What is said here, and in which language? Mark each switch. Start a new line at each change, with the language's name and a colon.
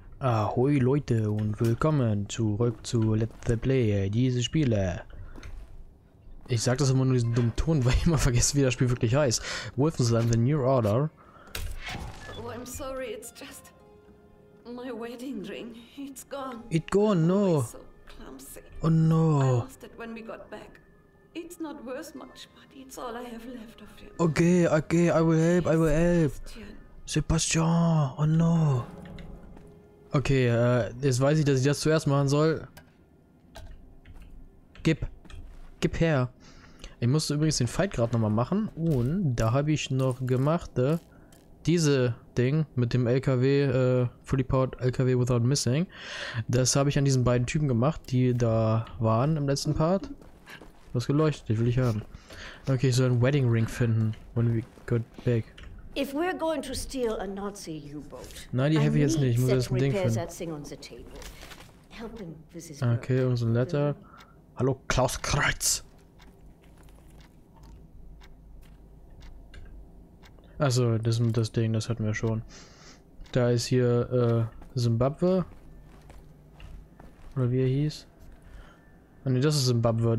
German: Ahoi Leute und willkommen zurück zu Let's Play, diese Spiele. Ich sag das immer nur diesen dummen Ton, weil ich immer vergesse, wie das Spiel wirklich heißt. Wolfenstein The New Order.
English: Oh, I'm sorry, it's just my wedding ring. It's gone. It's gone, no. So clumsy. Oh no. I lost it when we got back. It's not worth much, but it's all I have left of it. Okay, I will help, I will help. Sebastian, oh no.
German: Okay, jetzt weiß ich, dass ich das zuerst machen soll. Gib her. Ich musste übrigens den Fight gerade nochmal machen. Und da habe ich noch gemacht, diese Ding mit dem LKW, Fully Powered LKW Without Missing. Das habe ich an diesen beiden Typen gemacht, die da waren im letzten Part. Was geleuchtet, will ich haben. Okay, ich soll einen Wedding Ring finden.
English: When we got back. If we're going to steal a Nazi U-Boat,
German: nein, die helfe ich jetzt nicht. Ich muss jetzt ein Ding finden. Okay, unser Letter. Hallo, Klaus Kreutz. Achso, das Ding, das hatten wir schon. Da ist hier, Zimbabwe. Oder wie er hieß. Ne, das ist Zimbabwe.